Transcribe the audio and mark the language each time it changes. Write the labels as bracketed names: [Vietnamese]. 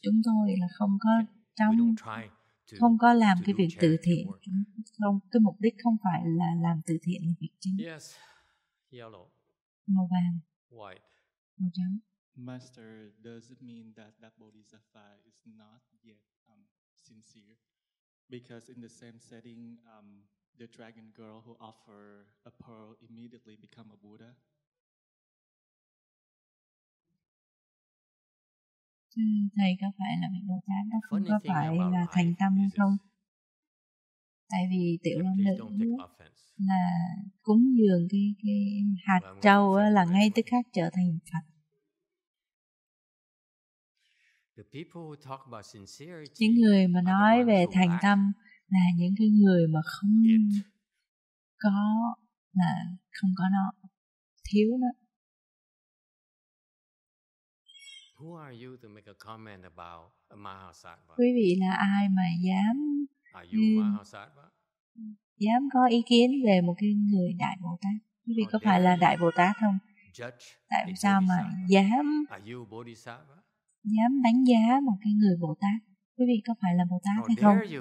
[Vietnamese] Chúng tôi là không có trong, không có làm cái việc từ thiện. Không, cái mục đích không phải là làm từ thiện là việc chính. [English] Yes, yellow. [Vietnamese] Màu vàng. [English] White. [Vietnamese] Màu trắng. [English] Master, does it mean that that bodhisattva is not yet sincere? Because in the same setting, the dragon girl who offer a pearl immediately become a Buddha. [Vietnamese] Thầy có phải là vị Bồ Tát đó không? Có phải là thành tâm hay không? Tại vì tiểu long nữ là cúng dường cái hạt châu là ngay tức khắc trở thành Phật. [English] The people who talk about sincerity, [Vietnamese] những người mà nói về thành tâm là những cái người mà không có, là không có nó, thiếu nó. [English] Who are you to make a comment about a Mahasattva? [Vietnamese] Quý vị là ai mà dám [English] Mahasattva? [Vietnamese] Dám có ý kiến về một cái người Đại Bồ Tát? Quý vị có phải là Đại Bồ Tát không? [English] Judge. [Vietnamese] Tại sao mà dám? [English] Are you Bodhisattva? [Vietnamese] Dám đánh giá một cái người Bồ Tát? Quý vị có phải là Bồ Tát hay không?